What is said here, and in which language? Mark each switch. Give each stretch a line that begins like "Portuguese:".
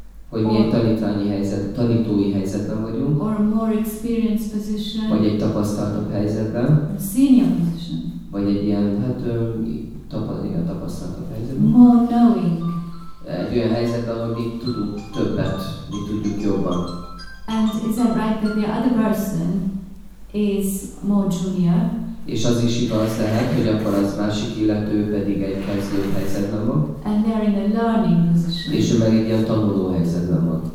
Hungarian: Hogy milyen tanítói helyzetben vagyunk,
English: or more experienced position,
Hungarian: vagy egy tapasztaltabb helyzetben,
English: a senior position,
Hungarian: vagy egy ilyen tapasztaltabb helyzetben,
English: more knowing,
Hungarian: egy olyan helyzetben, hogy mi tudunk többet, mi tudjuk jobban.
English: And is that right that the other person is more junior?
Hungarian: És az is igaz lehet, hogy akkor az másik illető pedig egy kezdő helyzetben van.
English: And they are in a learning position.
Hungarian: És ő meg egy ilyen tanuló helyzetben van.